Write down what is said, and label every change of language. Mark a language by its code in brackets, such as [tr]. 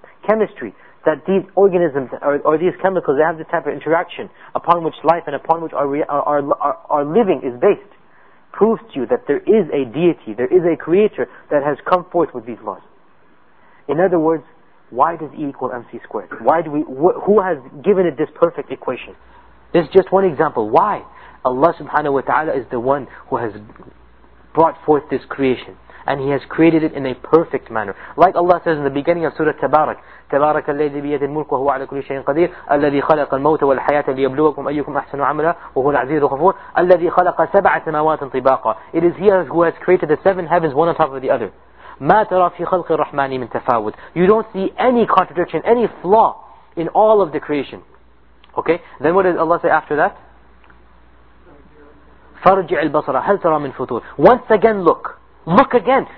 [en] Chemistry, that these organisms or these chemicals, they have this type of interaction upon which life and upon which our living is based, proves to you that there is a deity, there is a creator that has come forth with these laws. In other words, why does E equal MC squared? Why do we? Who has given it this perfect equation? This is just one example. Why? Allah subhanahu wa ta'ala is the one who has brought forth this creation. And He has created it in a perfect manner. Like Allah says in the beginning of Surah Tabarak, [ar] تَبَارَكَ الَّذِي بِيَدِ الْمُلْكُ وَهُوَ عَلَى كُلِّ شَيْءٍ قَدِيرٍ الَّذِي خَلَقَ الْمَوْتَ وَالْحَيَاةَ لِيَبْلُوَكُمْ أَيُّكُمْ أَحْسَنُ عَمَلًا وَهُوَ الْعَزِيزُ الْغَفُورُ الَّذِي خَلَقَ سَبْعَ سَمَاوَاتٍ طِبَاقًا. [en] It is He who has created the seven heavens one on top of the other. [ar] مَا تَرَى فِي خَلْقِ الرَّحْمَنِ مِنْ تَفَاوُتٍ. [en] You don't see any contradiction, any flaw in all of the creation. Okay? Then what does Allah say after that? [ar] فَرْجِعِ الْبَصَرَ هَلْ تَرَى مِنْ فُطُورٍ. [en] Once again look. Look again.